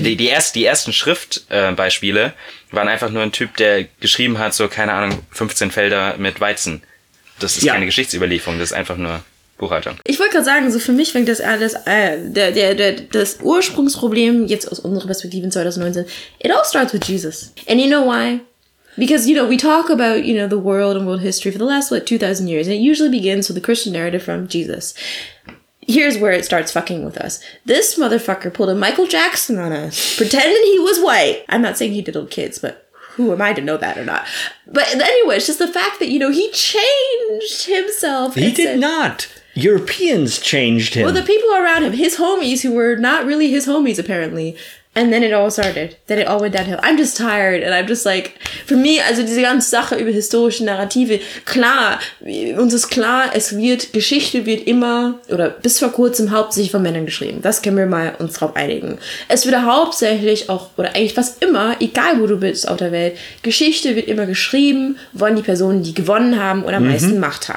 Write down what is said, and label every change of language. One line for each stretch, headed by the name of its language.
German: die ersten Schriftbeispiele waren einfach nur ein Typ, der geschrieben hat, so keine Ahnung, 15 Felder mit Weizen. Das ist keine Geschichtsüberlieferung, das ist einfach nur Buchhaltung. Ich wollte gerade sagen, so für mich fängt das alles, das Ursprungsproblem jetzt aus unserer Perspektive in 2019,
English: it all starts with Jesus. And you know why? Because, you know, we talk about, you know, the world and world history for the last, 2000 years, and it usually begins with the Christian narrative from Jesus. Here's where it starts fucking with us. This motherfucker pulled a Michael Jackson on us, pretending he was white. I'm not saying he diddled kids, but who am I to know that or not? But anyway, it's just the fact that, you know, he changed himself. He did not. Europeans changed him. Well, the people around him, his homies who were not really his homies, apparently. And then it all started. Then it all went downhill. I'm just tired. And I'm just like, for me,
German: also diese ganze Sache über historische Narrative, klar, uns ist klar, es wird, Geschichte wird immer, oder bis vor kurzem, hauptsächlich von Männern geschrieben. Das können wir mal uns drauf einigen. Es wird hauptsächlich auch, oder eigentlich fast immer, egal wo du bist auf der Welt, Geschichte wird immer geschrieben von die Personen, die gewonnen haben oder am meisten Macht haben.